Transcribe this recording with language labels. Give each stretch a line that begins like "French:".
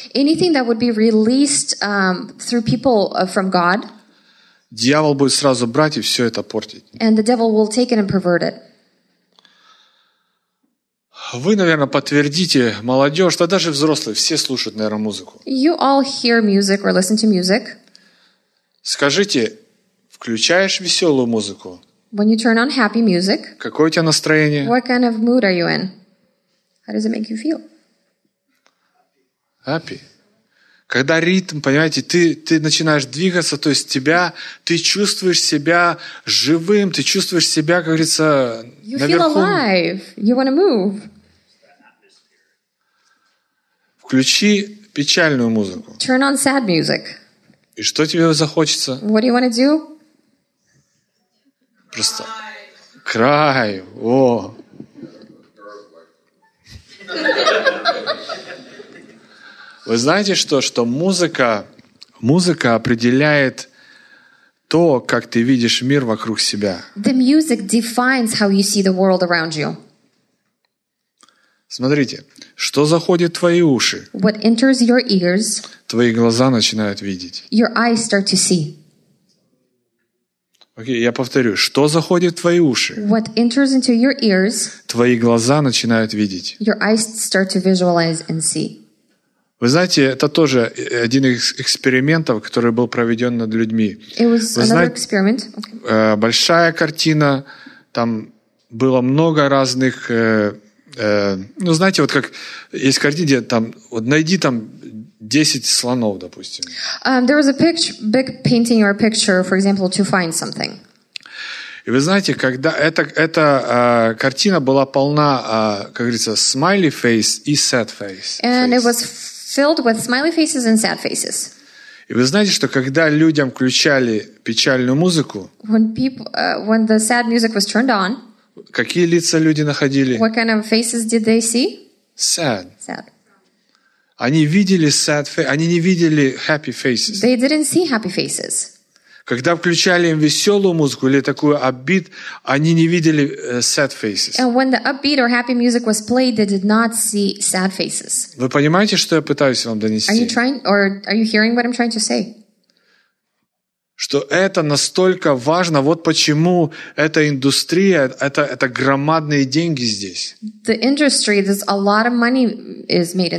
English: Anything that would be released through people from God.
Russian: Дьявол будет сразу брать и все это портить.
English: And the devil will take it and pervert it.
Russian: Вы, наверное, подтвердите, молодежь, да даже взрослые, все слушают, наверное, музыку.
English: You all hear music or listen to music.
Russian: Скажите, включаешь веселую музыку?
English: When you turn on happy music.
Russian: Какое у тебя настроение?
English: What kind of mood are you in? How does it make you feel? Happy.
Russian: Когда ритм, понимаете, ты начинаешь двигаться, то есть ты чувствуешь себя живым, ты чувствуешь себя, как говорится,
English: you
Russian: наверху.
English: Feel alive. You want to move.
Russian: Включи печальную музыку.
English: Turn on sad music.
Russian: И что тебе захочется?
English: What do you want to do?
Russian: Просто
English: cry.
Russian: О. Вы знаете, что музыка определяет то, как ты видишь мир вокруг себя.
English: The music defines how you see the world around you.
Russian: Смотрите, что заходит в твои уши.
English: What enters your ears,
Russian: твои глаза начинают видеть.
English: Your eyes start to see.
Russian: Окей, я повторю, что заходит в твои уши.
English: What enters into your ears,
Russian: твои глаза начинают видеть.
English: Your eyes start to visualize and see.
Russian: Вы знаете, это тоже один из экспериментов, который был проведен над людьми.
English: It was another experiment. Okay.
Russian: Большая картина, там было много разных. Ну, знаете, вот как есть картина, где там, вот найди там 10 слонов, допустим.
English: There was a big painting or a picture, for example, to find something.
Russian: И вы знаете, когда эта картина была полна, как говорится,
English: smiley face
Russian: и
English: sad face. And it was filled with smiley faces and sad faces.
Russian: И вы знаете, что когда людям включали печальную музыку,
English: when the sad music was turned on,
Russian: какие лица люди находили?
English: What kind of faces did they see? Sad. Sad.
Russian: Они видели
English: sad faces.
Russian: Они не видели
English: happy faces. They didn't see happy faces.
Russian: Когда включали им веселую музыку или такую
English: upbeat,
Russian: они не видели sad faces.
English: And when the upbeat or happy music was played, they did not see sad faces.
Russian: Вы понимаете, что я пытаюсь вам донести?
English: Are you hearing what I'm trying to say?
Russian: Что это настолько важно, вот почему эта индустрия, это громадные деньги здесь.
English: The industry, there's a lot of money is made in